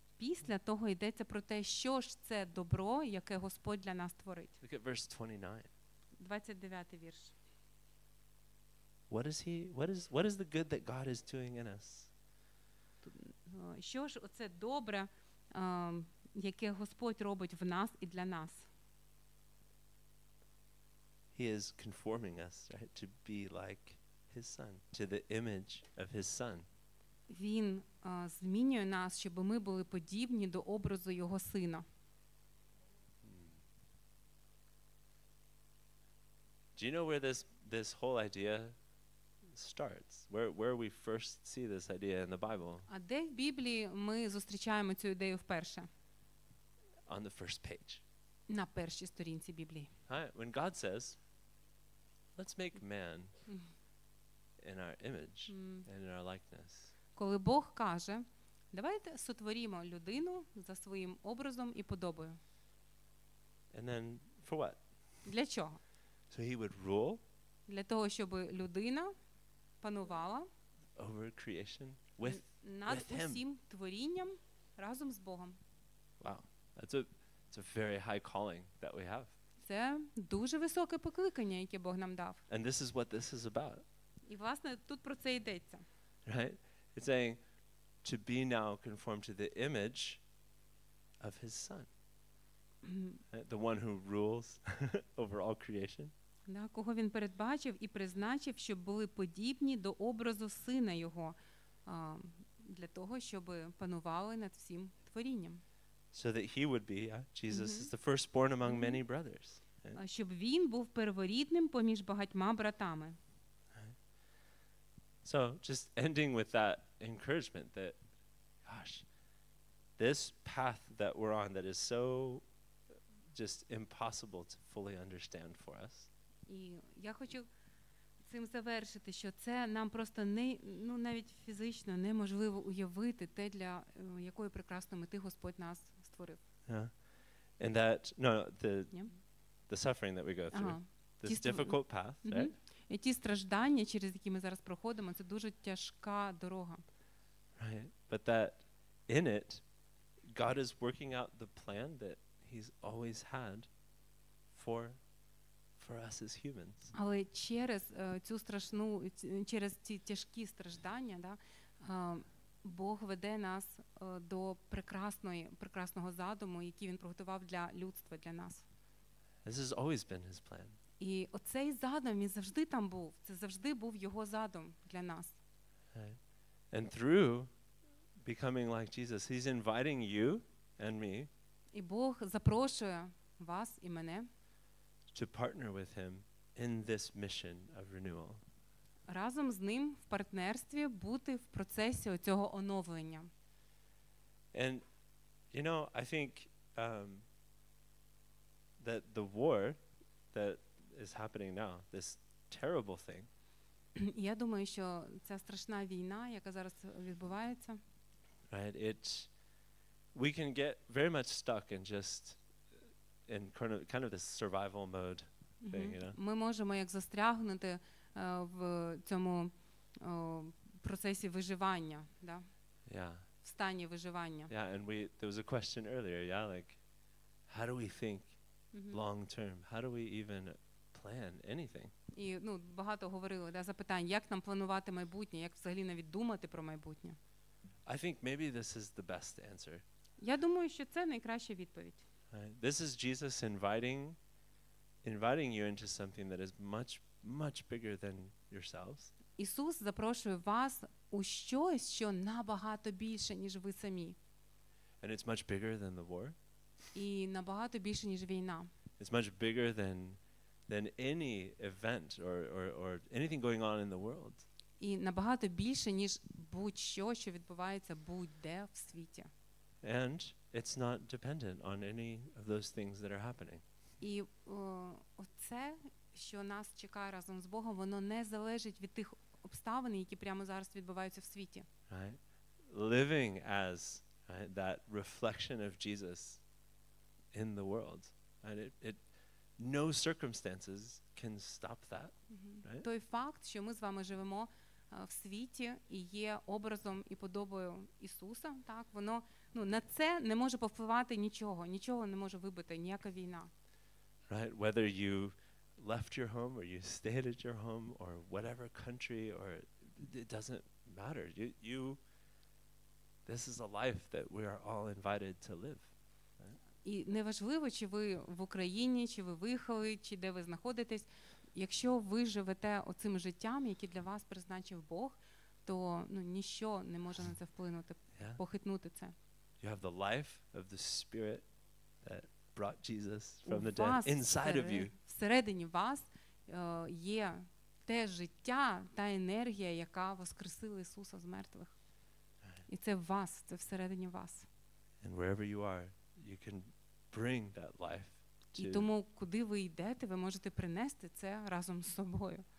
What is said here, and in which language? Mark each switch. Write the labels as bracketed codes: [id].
[uk] Після того йдеться про те, що ж це добро, яке Господь для нас творить. [en] Look at verse 29. [uk] 29-й вірш. [en] What is the good that God is doing in us? [uk] Що ж оце добре, яке Господь робить в нас і для нас. [en] He is conforming us, right, to be like his son, to the image of his son. [uk] Він змінює нас, щоб ми були подібні до образу його сина. [en] Do you know where this whole idea starts? Where we first see this idea in the Bible? [uk] А де в Біблії ми зустрічаємо цю ідею вперше? [en] On the first page. [uk] На першій сторінці Біблії. [en] Right, when God says, let's make man in our image and in our likeness. [uk] Коли Бог каже, давайте сотворімо людину за своїм образом і подобою. [en] And then for what? [uk] Для чого? [en] So he would rule? [uk] Для того, щоб людина панувала [en] over creation with [uk] над [en] with him. [uk] Усім творінням разом з Богом. [en] Wow. That's a very high calling that we have. [uk] Це дуже високе покликання, яке Бог нам дав. [en] And this is what this is about. [uk] І власне тут про це йдеться. [en] Right? It's saying to be now conformed to the image of his son. The one who rules over all creation. [uk] Да, кого він передбачив і призначив, щоб були подібні до образу сина його, для того, щоб панували над всім творінням. [en] So that he would be, Jesus is the firstborn among many brothers. [uk] Щоб він був перворідним поміж багатьма братами. [en] So, just ending with that encouragement that, gosh, this path that we're on that is so just impossible to fully understand for us. [uk] І я хочу цим завершити, що це нам просто не, ну, навіть фізично неможливо уявити те, для якої прекрасної мети Господь нас створив. [en] Yeah. And that, the suffering that we go through, this difficult path, right? [uk] І ті страждання, через які ми зараз проходимо, це дуже тяжка дорога. [en] Right. But that in it God is working out the plan that he's always had for us as humans. [uk] Але через цю страшну через ці тяжкі страждання, Бог веде нас до прекрасного задуму, який він приготував для людства, для нас. [en] This has always been his plan. [uk] І оцей задум, він завжди там був. Це завжди був його задум для нас. [en] And through becoming like Jesus, he's inviting you and me. [uk] І Бог запрошує вас і мене [en] to partner with him in this mission of renewal. [uk] Разом з ним в партнерстві бути в процесі цього оновлення. [en] And you know, I think that the war that is happening now, this terrible thing. [uk] Я думаю, що ця страшна війна, яка зараз відбувається. [en] Right, it's we can get very much stuck in just in kind of this survival mode thing, you know. [uk] Ми можемо як застрягнути в цьому процесі виживання, да? [en] Yeah. [uk] В стані виживання. [en] Yeah, and we there was a question earlier, yeah, like how do we think long term? How do we even plan anything? [uk] І, ну, багато говорили, да, запитань, як нам планувати майбутнє, як взагалі навіть думати про майбутнє? [en] I think maybe this is the best answer. [uk] Я думаю, що це найкраща відповідь. [en] This is Jesus inviting you into something that is much bigger than yourselves. [uk] Ісус запрошує вас у щось, що набагато більше, ніж ви самі. [en] And it's much bigger than the war. [uk] І набагато більше, ніж війна. [en] It's much bigger than any event or anything going on in the world. [uk] І набагато більше, ніж будь-що, що відбувається будь-де в світі. [en] And it's not dependent on any of those things that are happening. [uk] І оце, що нас чекає разом з Богом, воно не залежить від тих обставин, які прямо зараз відбуваються в світі. [en] Right? Living as right, that reflection of Jesus in the world. And it no circumstances can stop that. Right? [uk] Той факт, що ми з вами живемо в світі і є образом і подобою Ісуса, так, воно, ну, на це не може повпливати нічого, нічого не може вибити, ніяка війна. [en] Right? Whether you left your home or you stayed at your home or whatever country or it doesn't matter. You this is a life that we are all invited to live. [uk] І неважливо, чи ви в Україні, чи ви виїхали, чи де ви знаходитесь, якщо ви живете оцим життям, яке для вас призначив Бог, то, ну, ніщо не може на це вплинути, похитнути це. [en] You have the life of the Spirit that brought Jesus from the dead inside of you. [uk] Всередині вас є те життя, та енергія, яка воскресила Ісуса з мертвих. І це вас, це всередині вас. [en] And wherever you are, you can bring that life to. [uk] І тому, куди ви йдете, ви можете принести це разом з собою.